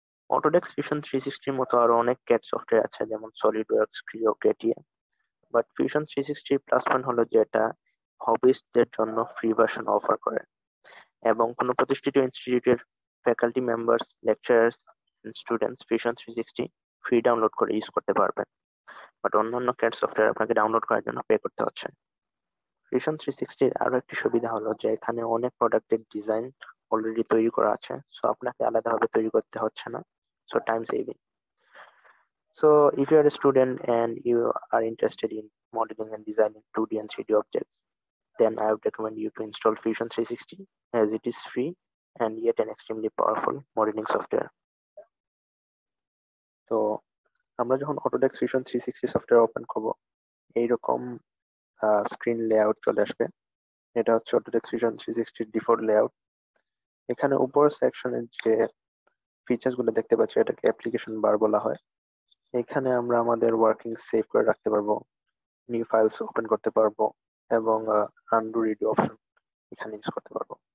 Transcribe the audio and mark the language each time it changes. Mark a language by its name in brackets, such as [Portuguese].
[Bangla] Autodesk fusion 360 এর মতো আরো অনেক ক্যাড সফটওয়্যার আছে, যেমন solid works, cryo, KTM, but fusion 360 plus point হলো যে এটা হবিস্টদের জন্য ফ্রি ভার্সন অফার করে এবং কোনো প্রতিষ্ঠিত ইনস্টিটিউটের faculty members, lecturers, students fusion 360 free download করে ইউজ করতে পারবেন, বাট অন্যান্য ক্যাড সফটওয়্যার আপনাকে ডাউনলোড করার জন্য পে করতে হচ্ছে। ফিউশন 360 আরও একটি সুবিধা হলো যে এখানে অনেক প্রোডাক্টের ডিজাইন অলরেডি তৈরি করা আছে, সো আপনাকে আলাদাভাবে তৈরি করতে হচ্ছে না, so time saving. [English] So if you are a student and you are interested in modeling and designing 2D and 3D objects, then I would recommend you to install Fusion 360 as it is free and yet an extremely powerful modeling software. [Bangla] So আমরা যখন Autodesk Fusion 360 software open করব, এইরকম screen layout চলে আসবে। এটা হচ্ছে Autodesk Fusion 360 default layout। এখানে উপর সেকশনে যে ফিচার্সগুলো দেখতে পাচ্ছি এটাকে অ্যাপ্লিকেশন বার বলা হয়। এখানে আমরা আমাদের ওয়ার্কিং সেভ করে রাখতে পারবো, নিউ ফাইলস ওপেন করতে পারবো এবং আনডু রিডু অপশন এখানে ইউজ করতে পারবো।